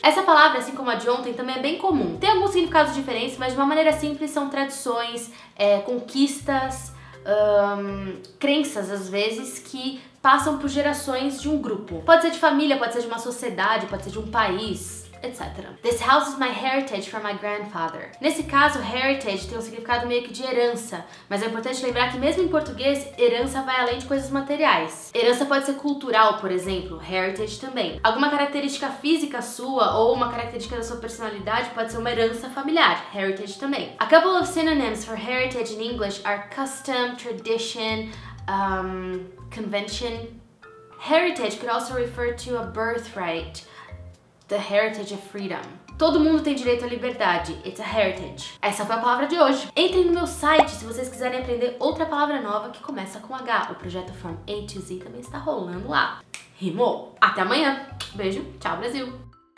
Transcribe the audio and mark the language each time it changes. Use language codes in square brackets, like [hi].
[pt] Essa palavra, assim como a de ontem, também é bem comum. Tem alguns significados diferentes, mas de uma maneira simples são tradições, conquistas, crenças, às vezes, que passam por gerações de um grupo. Pode ser de família, pode ser de uma sociedade, pode ser de um país, etc. [en] This house is my heritage from my grandfather. [pt] Nesse caso, heritage tem um significado meio que de herança, mas é importante lembrar que mesmo em português, herança vai além de coisas materiais. Herança pode ser cultural, por exemplo, heritage também. Alguma característica física sua ou uma característica da sua personalidade pode ser uma herança familiar, heritage também. [en] A couple of synonyms for heritage in English are custom, tradition, convention. Heritage could also refer to a birthright. The heritage of freedom. [pt] Todo mundo tem direito à liberdade. [en] It's a heritage. [pt] Essa foi a palavra de hoje. Entrem no meu site se vocês quiserem aprender outra palavra nova que começa com H. O projeto From A to Z também está rolando lá. Rimou? Até amanhã. Beijo. Tchau, Brasil.